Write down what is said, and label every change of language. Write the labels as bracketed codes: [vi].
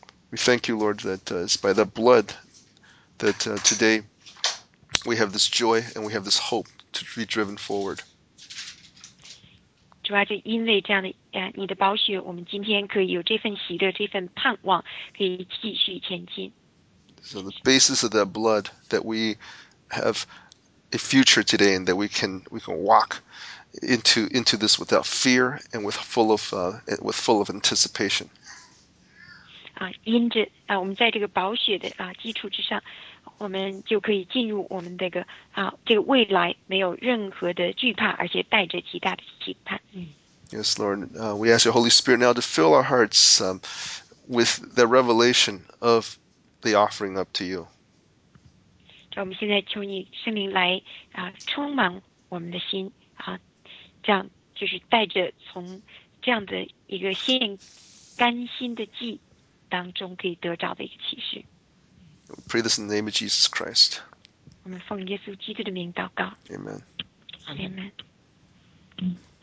[en] We thank you, Lord, that it's by the blood that today. We have this joy and we have this hope to be driven forward. [zh] 主啊，就因为这样的你的宝血，我们今天可以有这份喜乐，这份盼望，可以继续前进。 [en] So the basis of that blood that we have a future today, and that we can walk into this without fear and with full of anticipation. [zh] 因着我们在这个宝血的基础之上。我们就可以进入我们这个这个未来没有任何的惧怕，而且带着极大的期盼。 [en] Yes, Lord, we ask your Holy Spirit now to fill our hearts with the revelation of the offering up to you. [zh] 所以我们现在求你圣灵来充满我们的心啊，这样就是带着从这样的一个献甘心的祭当中可以得着的一个启示。 [en] Pray this in the name of Jesus Christ. [zh] 我们奉耶稣基督的名祷告。 [en] Amen. Amen. 嗯。